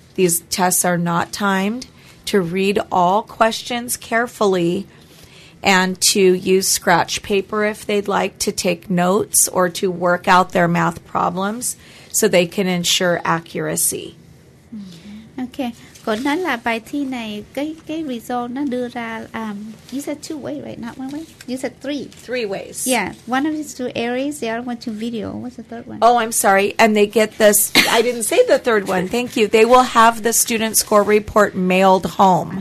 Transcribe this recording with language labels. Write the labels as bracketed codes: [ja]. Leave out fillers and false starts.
[en] These tests are not timed. To read all questions carefully and to use scratch paper if they'd like to take notes or to work out their math problems so they can ensure accuracy. Okay. [vi] Cô nói là bài thi này cái result nó đưa ra [en] you said two ways, right? Not one way. You said three ways. Yeah, one of these two areas, the other one to video. What's the third one? Oh, I'm sorry. And they get this. I didn't say the third one. Thank you. They will have the student score report mailed home.